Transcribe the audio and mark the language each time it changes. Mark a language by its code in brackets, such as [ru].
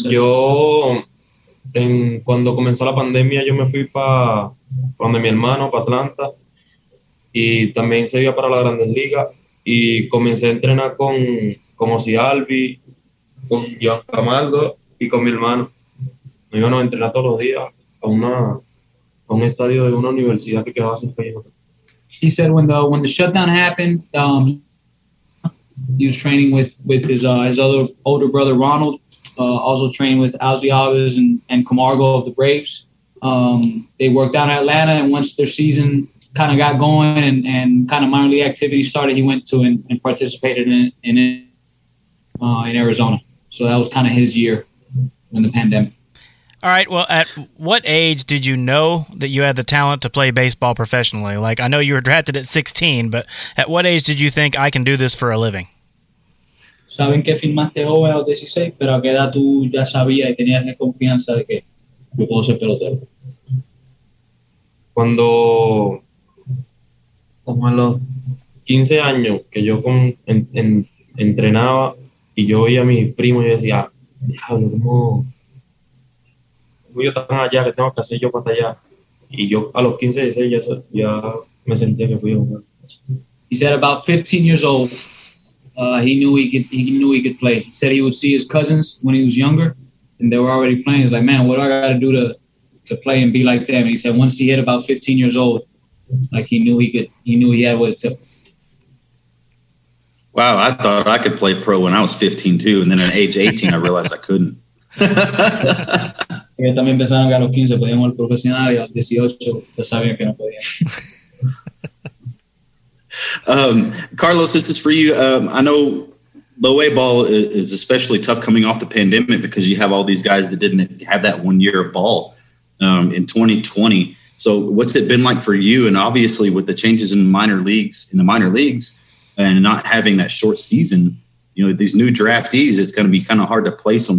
[es] Yo, cuando comenzó la pandemia, yo me fui para donde mi hermano, para Atlanta, y también se iba para la Grandes Ligas, y comencé a entrenar con Ozzy Albi, con Joan Camargo y con mi hermano. Nos íbamos a entrenar todos los días a un estadio de una universidad que quedaba cerca. [en] He said when the shutdown happened, he was training with his other older brother Ronald, also training with Ozzy Alves and Camargo of the Braves. They worked out in Atlanta, and once their season kind of got going and kind of minor league activity started, he went to and participated in Arizona. So that was kind of his year in the pandemic. All right. Well, at what age did you know that you had the talent to play baseball professionally? Like, I know you were drafted at 16, but at what age did you think, I can do this for a living? [es] Saben que firmaste joven a los 16, pero a qué edad tú ya sabías y tenías la confianza de que yo puedo ser pelotero. Cuando, como a los 15 años, que yo entrenaba y yo veía a mis primos y yo decía, diablo, ¿cómo yo tan allá? ¿Qué tengo que hacer yo para allá? Y yo a los 15, 16 ya me sentía que fui a jugar. [en] He said about 15 years old. He knew he could play. He said he would see his cousins when he was younger, and they were already playing. He's like, man, what do I got to do to play and be like them? And he said once he hit about 15 years old, like he knew he had what it took. Wow, I thought I could play pro when I was 15 too, and then at age 18, I realized I couldn't. [es] Yo también pensaba que a los 15 podíamos ser profesional, y a los 18 ya sabía que no podía. [en] Carlos, this is for you. I know low A ball is especially tough coming off the pandemic because you have all these guys that didn't have that 1 year of ball in 2020. So what's it been like for you? And obviously with the changes in the minor leagues and not having that short season, you know, these new draftees, it's going to be kind of hard to place them.